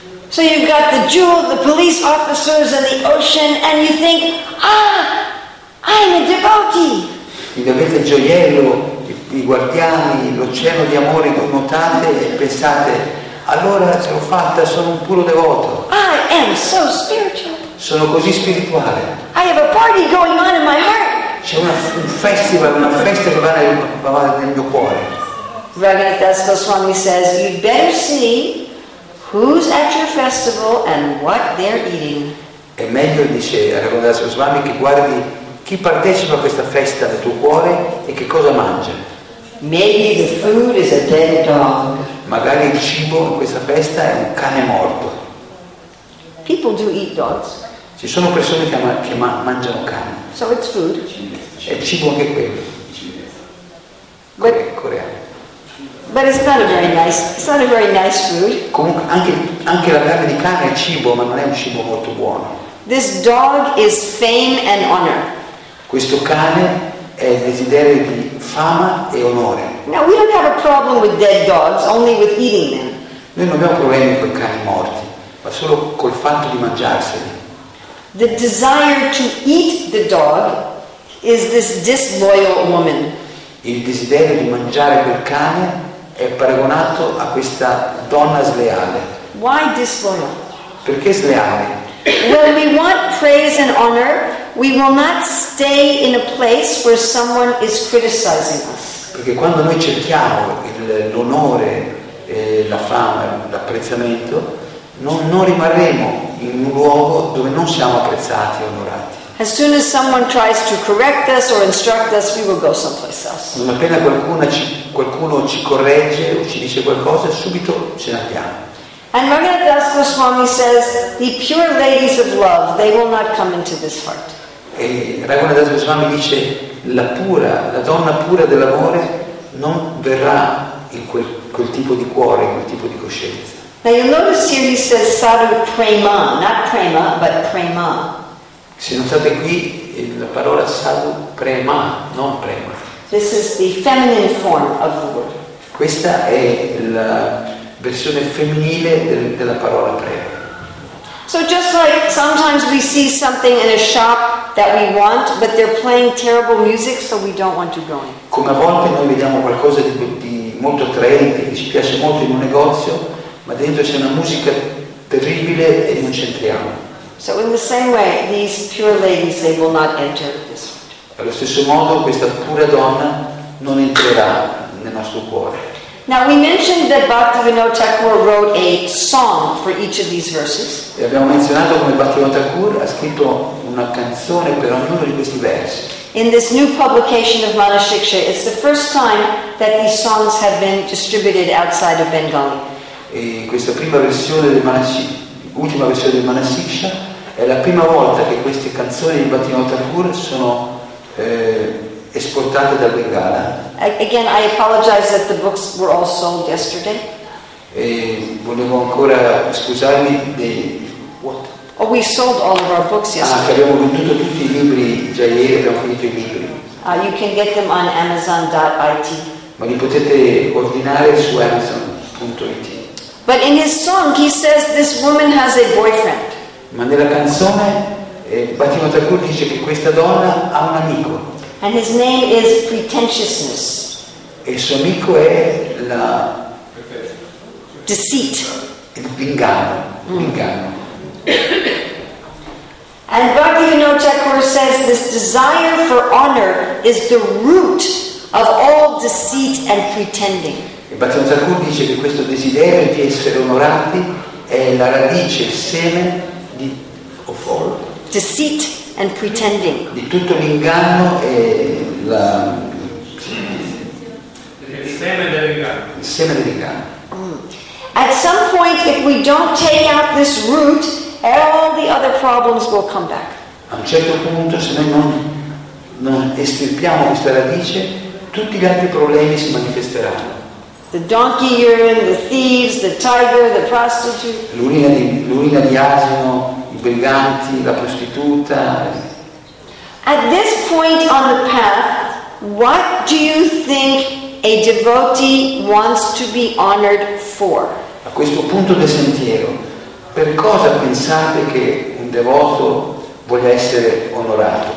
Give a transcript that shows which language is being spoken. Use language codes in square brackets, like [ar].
[en] So you've got the jewel, the police officers and the ocean, and you think, I'm a devotee. [it] Quindi avete il gioiello, i guardiani, l'oceano di amore, notate e pensate, allora ce l'ho fatta, sono un puro devoto. [en] I am so spiritual. [it] Sono così spirituale. [en] I have a party going on in my heart. [it] C'è una festa che va nel mio cuore. [en] Raghunath Das Goswami says, you better see who's at your festival and what they're eating. [it] È meglio, dice Raghunath Das Goswami, che guardi chi partecipa a questa festa del tuo cuore e che cosa mangia. [en] Maybe the food is a dead dog. [it] Magari il cibo in questa festa è un cane morto. [en] People do eat dogs. [it] Ci sono persone che mangiano cane. [en] So it's food. [it] È cibo anche quello. [en] But [it] coreano. [en] But it's not a very nice. It's not a very nice food. [it] Comunque anche la carne di cane è cibo, ma non è un cibo molto buono. [en] This dog is fame and honor. [it] Questo cane è il desiderio di fama e onore. [en] Now we don't have a problem with dead dogs, only with eating them. [it] Noi non abbiamo problemi con cani morti, ma solo col fatto di mangiarseli. [en] The desire to eat the dog is this disloyal woman. [it] Il desiderio di mangiare quel cane è paragonato a questa donna sleale. [en] Why disloyal? [it] Perché sleale? [en] When we want praise and honor, we will not stay in a place where someone is criticizing us. [it] Perché quando noi cerchiamo l'onore, la fama, l'apprezzamento, non rimarremo in un luogo dove non siamo apprezzati e onorati. [en] As soon as someone tries to correct us or instruct us, we will go someplace else. [it] Non appena qualcuno ci corregge o ci dice qualcosa, subito ce ne andiamo. [en] And Raghunathas Goswami says, the pure ladies of love, they will not come into this heart. [it] E Raghunathas Goswami dice, la donna pura dell'amore non verrà in quel tipo di cuore, in quel tipo di coscienza. [en] Now you'll notice here he says sadhu prema, not prema, but prema. [it] Se notate qui la parola sadhu prema, non prema. [en] This is the feminine form of the word. [it] Questa è la versione femminile della parola prema. [en] So just like sometimes we see something in a shop that we want, but they're playing terrible music, so we don't want to go in. [it] Come a volte noi vediamo qualcosa di molto attraente, che ci piace molto in un negozio, ma dentro c'è una musica terribile e non ci entriamo. [en] So in the same way, these pure ladies, they will not enter this world. [it] Allo stesso modo, questa pura donna non entrerà nel nostro cuore. [en] Now we mentioned that Bhaktivinoda Thakur wrote a song for each of these verses. [it] E abbiamo menzionato come Bhaktivinoda Thakur ha scritto una canzone per ognuno di questi versi. [en] In this new publication of Manashiksha, it's the first time that these songs have been distributed outside of Bengali. [it] E questa prima versione del Manashiksha, ultima versione del Manashiksha, è la prima volta che queste canzoni di Bhaktivinoda Thakur sono esportate dal Bengala. [en] Again, I apologize that the books were all sold yesterday. [it] E volevo ancora scusarmi di [en] what? Oh, we sold all of our books yesterday. [it] Ah, che abbiamo venduto tutti i libri già ieri, abbiamo finito i libri. [en] You can get them on Amazon.it. [it] Ma li potete ordinare su Amazon.it. [en] But in his song, he says this woman has a boyfriend. [it] Ma nella canzone, Bhaktivinoda Thakur dice che questa donna ha un amico. [en] And his name is pretentiousness. [it] E il suo amico è la [en] deceit. [it] Il inganno. L'inganno. [en] And Bhaktivinoda Thakur says this desire for honor is the root of all deceit and pretending. [it] E Bhaktivinoda Thakur dice che questo desiderio di essere onorati è la radice, il seme di [en] deceit and pretending. [it] Di tutto l'inganno e la il seme dell'inganno. [en] At some point, if we don't take out this root, all the other problems will come back. [it] A un certo punto, se noi non estirpiamo questa radice, tutti gli altri problemi si manifesteranno. [en] The donkey urine, the thieves, the tiger, the prostitute. [it] L'urina di asino, i briganti, la prostituta. [en] At this point on the path, what do you think a devotee wants to be honored for? [it] A questo punto del sentiero, per cosa pensate che un devoto voglia essere onorato?